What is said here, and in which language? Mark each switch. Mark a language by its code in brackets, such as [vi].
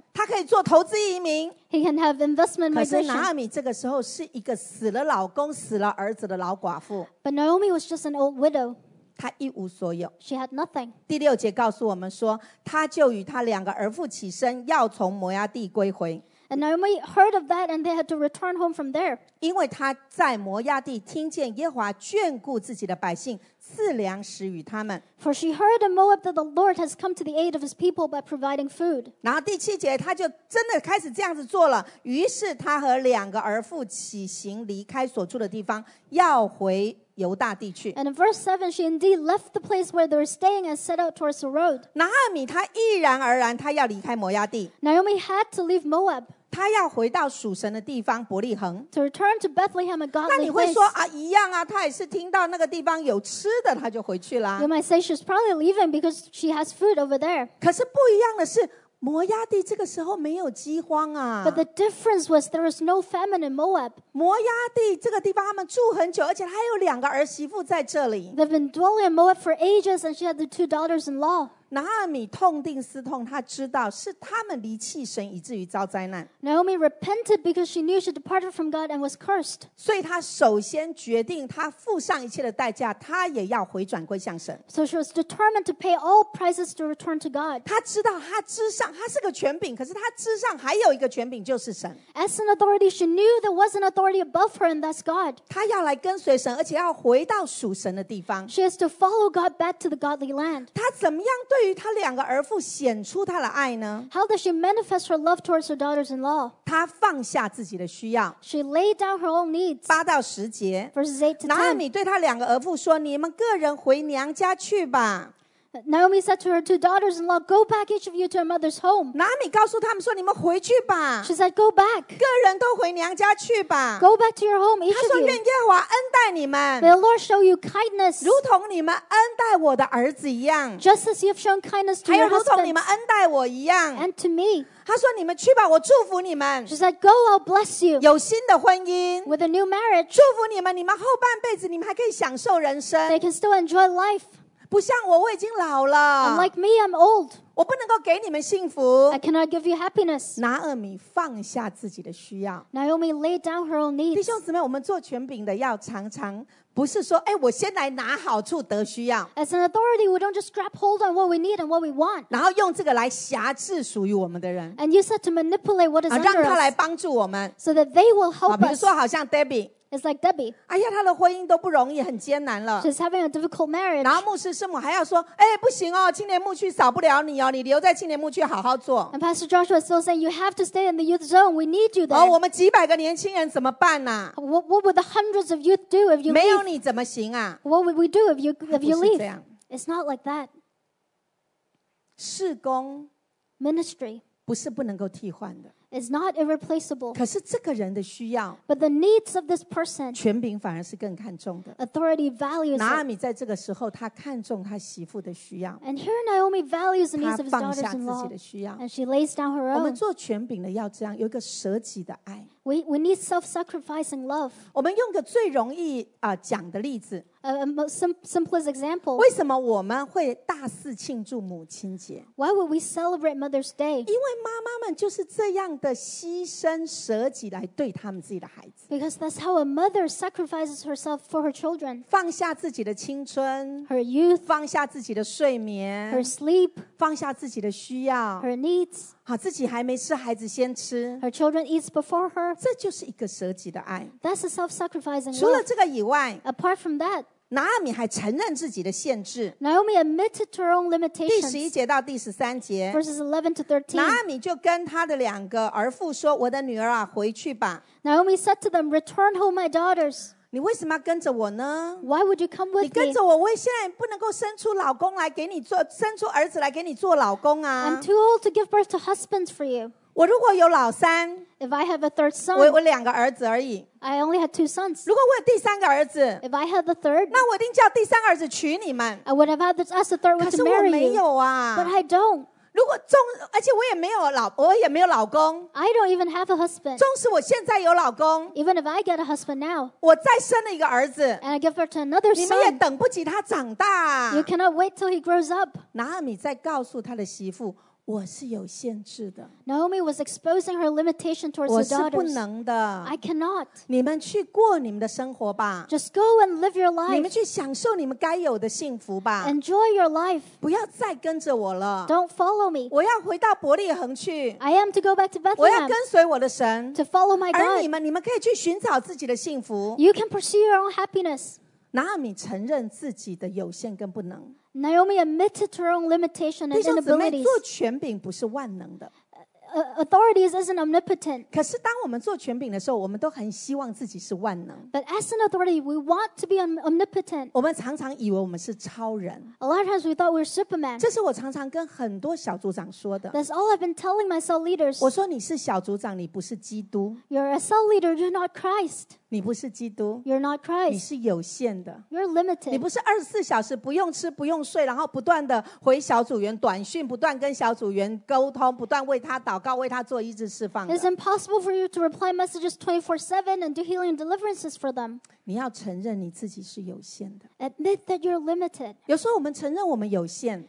[zh] 他可以做投资移民 [en] He can have investment migration [zh] 可是拿俄米这个时候是一个死了老公死了儿子的老寡妇 [en] But Naomi was just an old widow [zh] 她一无所有 [en] She had nothing [zh] 第六节告诉我们说她就与她两个儿妇起身要从摩押地归回 [en] And Naomi heard of that and they had to return home from there. [zh] 因为他在摩押地听见耶和华眷顾自己的百姓赐粮食与他们 [en] For she heard in Moab that the Lord has come to the aid of his people by providing food. [zh] 然后第七节他就真的开始这样子做了于是他和两个儿妇起行离开所住的地方要回犹大地区 [en] And in verse 7 she indeed left the place where they were staying and set out towards the road. [zh] 拿俄米他毅然而然他要离开摩押地 [en] Naomi had to leave Moab. [zh] 他要回到属神的地方伯利恒 [en] To return to Bethlehem a godly place. [zh] 那你会说啊一样啊他也是听到那个地方有吃的他就回去了 [en] You might say she's probably leaving because she has food over there. [zh] 可是不一样的是摩押地这个时候没有饥荒啊。 [en] But the difference was there was no famine in Moab. [zh] 摩押地这个地方他们住很久，而且他还有两个儿媳妇在这里。 [en] They've been dwelling in Moab for ages, and she had the two daughters-in-law. [zh] 拿阿米痛定思痛，他知道是他们离弃神，以至于遭灾难。 [en] Naomi repented because she knew she departed from God and was cursed. [zh] 所以她首先决定，她付上一切的代价，她也要回转归向神。 [en] So she was determined to pay all prices to return to God. [zh] 她知道她之上，她是个权柄，可是她之上还有一个权柄，就是神。 [en] As an authority, she knew there was an authority above her, and that's God. [zh] 她要来跟随神，而且要回到属神的地方。 [en] She has to follow God back to the godly land. [zh] 她怎么样对于她两个儿妇显出她的爱呢？ [en] How does she manifest her love towards her daughters-in-law? [zh] 她放下自己的需要。 [en] She laid down her own needs. [zh] 八到十节。 [en] Verses 8 to 10. [zh] 拿阿米对她两个儿妇说：“你们个人回娘家去吧。” [en] Naomi said to her two daughters-in-law, "Go back, each of you, to her mother's home." [zh] 拿阿米告诉她们说：“你们回去吧。” [en] She said, "Go back." [zh] 个人都回娘家去吧。 [en] Go back to your home, each of you. [zh] 她说：“愿耶和华恩待你们。” [en] May the Lord show you kindness. [zh] 如同你们恩待我的儿子一样。 [en] Just as you've shown kindness to your husband. [zh] 还有如同你们恩待我一样。 [en] And to me. [zh] 他说：“你们去吧，我祝福你们。” [en] She said, "Go, I'll bless you." [zh] 有新的婚姻 [en] ，with a new marriage. [zh] 祝福你们，你们后半辈子你们还可以享受人生。 [en] They can still enjoy life. [zh] 不像我，我已经老了。 [en] Unlike me, I'm old. [zh] 我不能够给你们幸福。 [en] I cannot give you happiness. [zh] 拿阿米放下自己的需要。 [en] Naomi laid down her own needs. [zh] 弟兄姊妹，我们做权柄的要常常。不是说，哎，我先来拿好处得需要。 [en] As an authority, we don't just grab hold on what we need and what we want. [zh] 然后用这个来辖制属于我们的人。 [en] And use it to manipulate what is under us. [zh] 让他来帮助我们。 [en] So that they will help us. [zh] 比如说，好像 Debbie. [en] It's like Debbie. [zh] 哎呀，她的婚姻都不容易，很艰难了。 [en] She's having a difficult marriage. [zh] 然后牧师师母还要说，哎，不行哦，青年牧区少不了你哦，你留在青年牧区好好做。 [en] And Pastor Joshua is still saying, you have to stay in the youth zone. We need you there. [zh] 哦，我们几百个年轻人怎么办呢？ [en] What would the hundreds of youth do if you leave? [zh] 你怎么行啊？ [en] What would we do if you leave? It's not like that. [zh] 事工 [en] ministry [zh] 不是不能够替换的。 [en] It's not irreplaceable. [zh] 可是这个人的需要 [en] But the needs of this person [zh] 权柄反而是更看重的。 [en] Authority values. [zh] 拿阿米在这个时候，他看重他媳妇的需要。 [en] And here Naomi values the needs of his daughters-in-law. [zh] 她放下自己的需要。 [en] And she lays down her own. [zh] 我们做权柄的要这样，有一个舍己的爱。 [en] We need self-sacrificing love. [zh] 我们用个最容易讲的例子。 [en] Simplest example. [zh] 为什么我们会大肆庆祝母亲节？ [en] Why would we celebrate Mother's Day? [zh] 因为妈妈们就是这样的牺牲舍己来对他们自己的孩子。 [en] Because that's how a mother sacrifices herself for her children. [zh] 放下自己的青春。 [en] Her youth. [zh] 放下自己的睡眠。 [en] Her sleep. [zh] 放下自己的需要。 [en] Her needs. [zh] 自己还没吃，孩子先吃。 [en] Her children eats before her. [zh] 这就是一个舍己的爱。 [en] That's a self-sacrificing love. [zh] 除了这个以外 [en] ，Apart from that， [zh] 拿阿米还承认自己的限制。 [en] Naomi admitted to her own limitations. [zh] 第十一节到第十三节 [en] ，Verses 11 to 13， [zh] 拿阿米就跟她的两个儿妇说：“我的女儿啊，回去吧。” [en] Naomi said to them, "Return home, my daughters." [zh] 你为什么要跟着我呢 [en] ？Why would you come with me？ [zh] 你跟着我，我现在不能够生出老公来给你做，生出儿子来给你做老公啊 [en] ！I'm too old to give birth to husbands for you。 [zh] 我如果有老三 [en] ，If I have a third son， [zh] 我两个儿子而已。 [en] I only had two sons。 [zh] 如果我有第三个儿子 [en] ，If I had the third， [zh] 那我一定叫第三个儿子娶你们。 [en] I would have had to ask the third one to marry you。 [zh] 可是我没有啊 [en] ，But I don't。 [zh] 如果总，而且我也没有老，我也没有老公。 [en] I don't even have a husband. [zh] 纵使我现在有老公 [en] ，Even if I get a husband now, [zh] 我再生了一个儿子 [en] ，And I give birth to another son. [zh] 你们也等不及他长大。 [en] You cannot wait till he grows up. [zh] 拿阿米在告诉他的媳妇，我是有限制的。 [en] Naomi was exposing her limitation towards her daughters. [zh] 我是不能的。 [en] I cannot. [zh] 你们去过你们的生活吧。 [en] Just go and live your life. [zh] 你们去享受你们该有的幸福吧。 [en] Enjoy your life. [zh] 不要再跟着我了。 [en] Don't follow me. [zh] 我要回到伯利恒去。 [en] I am to go back to Bethlehem. [zh] 我要跟随我的神。 [en] To follow my God. [zh] 而你们可以去寻找自己的幸福。 [en] You can pursue your own happiness. [zh] 拿阿米承认自己的有限跟不能。 [en] Naomi admitted to her own limitation and inabilities. [zh] 弟兄姊妹，做权柄不是万能的。 [en] Authorities isn't omnipotent. [zh] 可是当我们做权柄的时候，我们都很希望自己是万能。 [en] But as an authority, we want to be omnipotent. [zh] 我们常常以为我们是超人。 [en] A lot of times we thought we were Superman. [zh] 这是我常常跟很多小组长说的。 [en] That's all I've been telling my cell leaders. [zh] 我说你是小组长，你不是基督。 [en] You're a cell leader, you're not Christ. [zh] 你不是基督， [en] You're not Christ. [zh] 你是有限的， [en] You're limited. [zh] 你不是二十四小时不用吃不用睡，然后不断的回小组员短讯，不断跟小组员沟通，不断为他祷告，为他做医治释放的。 [en] It's impossible for you to reply messages 24/7 and do healing deliverances for them. [zh] 你要承认你自己是有限的。 [en] Admit that you're limited. [zh] 有时候我们承认我们有限，